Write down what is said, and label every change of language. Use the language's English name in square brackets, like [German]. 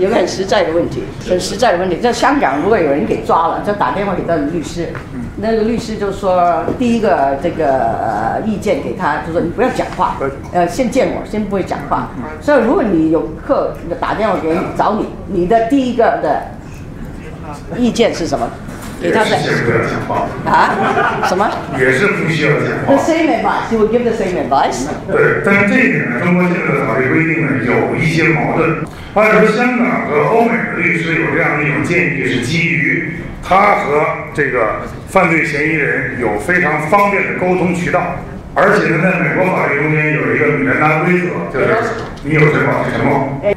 [Chinese] 有个很实在的问题，很实在的问题。在香港，如果有人给抓了，就打电话给他的律师，那个律师就说：“第一个这个意见给他，就说你不要讲话，先见我，先不会讲话。” 所以，如果你有客打电话给你找你，你的第一个的意见是什么？也是不需要讲话。啊？什么？也是不需要讲话。 [English] The same advice. You will give the same advice. [Chinese] 对，但是这一点呢，中国现在的法律规定呢，有一些矛盾。按说香港和欧美的律师有这样的一种建议，是基于他和这个犯罪嫌疑人有非常方便的沟通渠道，而且呢，在美国法律中间有一个免责规则，就是你有什么是什么。